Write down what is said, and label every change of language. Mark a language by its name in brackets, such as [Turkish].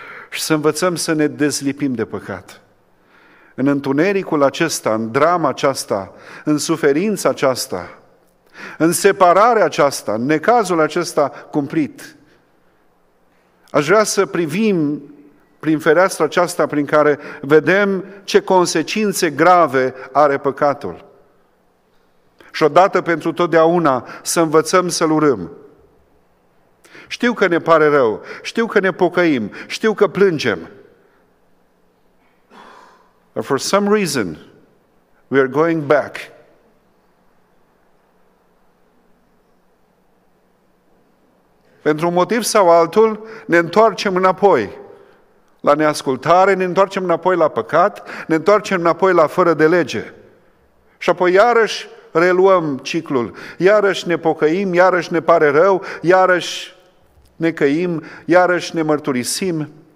[Romanian] Și să învățăm să ne dezlipim de păcat. În întunericul acesta, în drama aceasta, în suferința aceasta, în separarea aceasta, în necazul acesta cumplit, aș vrea să privim prin fereastra aceasta prin care vedem ce consecințe grave are păcatul. Și odată pentru totdeauna să învățăm să-l urâm. Știu că ne pare rău, știu că ne pocăim, știu că plângem. [English] But for some reason, we are going back. [Romanian] Pentru un motiv sau altul, ne întoarcem înapoi la neascultare, ne întoarcem înapoi la păcat, ne întoarcem înapoi la fără de lege. Și apoi iarăși reluăm ciclul, iarăși ne pocăim, iarăși ne pare rău, iarăși ne căim, iarăși ne mărturisim.